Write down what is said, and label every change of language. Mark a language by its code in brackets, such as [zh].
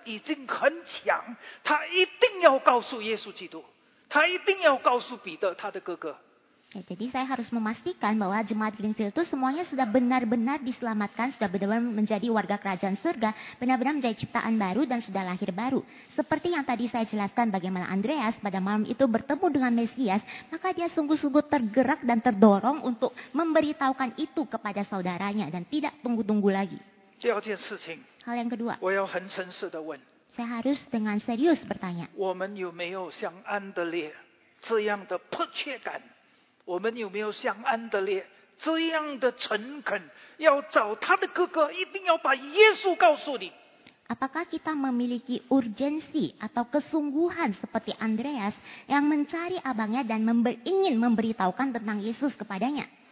[zh] 已经很强，他一定要告诉耶稣基督，他一定要告诉彼得他的哥哥。 [id] Ya, jadi saya harus memastikan bahwa jemaat Greenfield itu semuanya sudah benar-benar diselamatkan, sudah benar-benar menjadi warga kerajaan surga, benar-benar menjadi ciptaan baru dan sudah lahir baru. Seperti yang tadi saya jelaskan bagaimana Andreas pada malam itu bertemu dengan Mesias, maka dia sungguh-sungguh tergerak dan terdorong untuk memberitahukan itu kepada saudaranya dan tidak tunggu-tunggu lagi. [zh] 第二件事情, [id] hal yang kedua, [zh] 我要很诚实地问, [id] saya harus dengan serius bertanya, [zh] 我们有没有像安德烈这样的迫切感, 我们有没有像安德烈这样的诚恳, 要找他的哥哥, 一定要把耶稣告诉你。 [id] Apakah kita memiliki urgensi atau kesungguhan seperti Andreas yang mencari abangnya dan ingin memberitahukan tentang Yesus kepadanya?